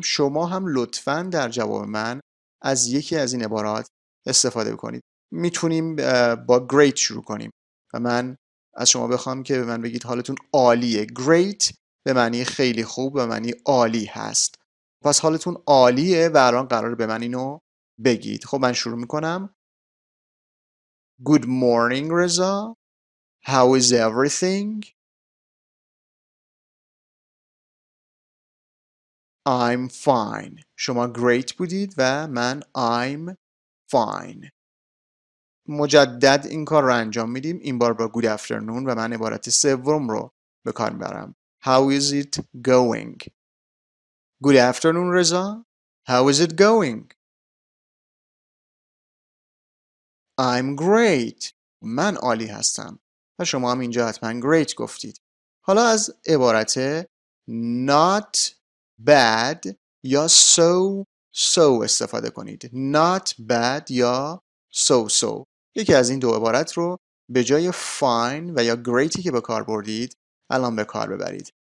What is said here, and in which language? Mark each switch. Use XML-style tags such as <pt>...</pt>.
<fa>شما هم لطفاً در جواب من از یکی از این عبارات استفاده کنید. می تونیم با great شروع کنیم و من از شما بخوام که به من بگید حالتون عالیه. great به معنی خیلی خوب، به معنی عالی هست. پس حالتون عالیه و الان قرار به من اینو بگید. خب من شروع می کنم.</fa> <en>good morning Reza. how is everything؟ I'm fine.</en> <fa>شما great بودید و من I'm fine. مجدد این کار رو انجام میدیم. این بار با good afternoon و من عبارت سوم رو به کار میبرم.</fa> <en>How is it going? Good afternoon, Reza. How is it going?</en> <fa>I'm great. من عالی هستم. و شما هم اینجا حتما great گفتید. حالا از عبارت not bad یا so استفاده کنید.</fa> <en>Not bad یا so.</en> <fa>یکی از این دو عبارت رو به جای fine و یا greaty که به کار بردید الان به کار ببرید.</fa>